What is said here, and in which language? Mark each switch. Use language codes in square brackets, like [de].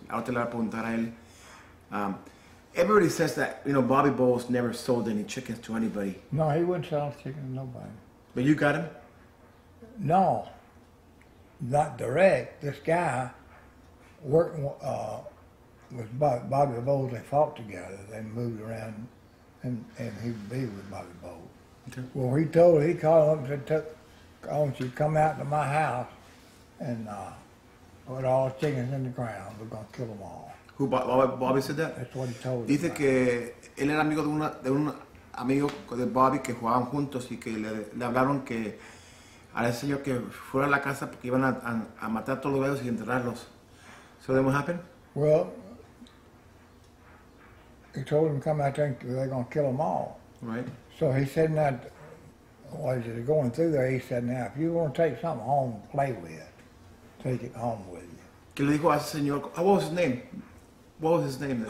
[es] Ahora te lo voy a preguntar a él. [en] Everybody says that, you know, Bobby Bowles never sold any chickens to anybody. No, he wouldn't sell chickens to nobody. But you got him? No. Not direct. This guy. Working with Bobby Bowles, they fought together. They moved around, and he would be with Bobby Bowles. Okay. Well, he called him and said, I want you to come out to my house and put all the chickens in the ground. We're going to kill them all. Who, Bobby said that? That's what he told him. [es] Dice que él era amigo de un amigo de Bobby que jugaban juntos y que le hablaron que a ese señor que fuera a la casa porque iban a matar a todos los gallos y enterrarlos. [en] So then what happened? Well, he told him to come out there and they're going to kill them all. Right. So he said, going through there, he said, now, if you want to take something home to play with, take it home with you. [es] ¿Qué le dijo a ese señor? [en] What was his name then?